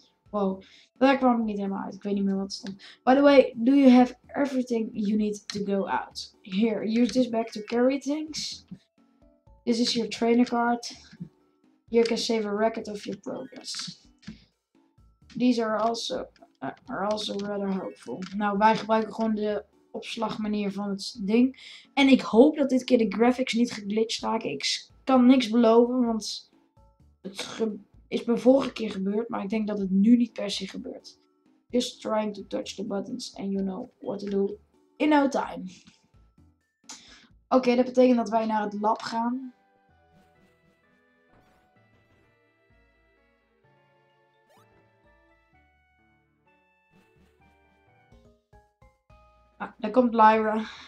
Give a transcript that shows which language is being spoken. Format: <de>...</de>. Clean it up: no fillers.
<nl>Wow, daar kwam ik niet helemaal uit. Ik weet niet meer wat het stond.</nl> <en>By the way, do you have everything you need to go out? Here, use this bag to carry things. This is your trainer card. You can save a record of your progress. These are also rather helpful.</en> <nl>Nou, wij gebruiken gewoon de... opslagmanier van het ding. En ik hoop dat dit keer de graphics niet geglitcht raken. Ik kan niks beloven, want het is me vorige keer gebeurd, maar ik denk dat het nu niet per se gebeurt.</nl> <en>Just trying to touch the buttons and you know what to do in no time.</en> <nl>Oké, dat betekent dat wij naar het lab gaan. Ah, daar komt Lyra.</nl>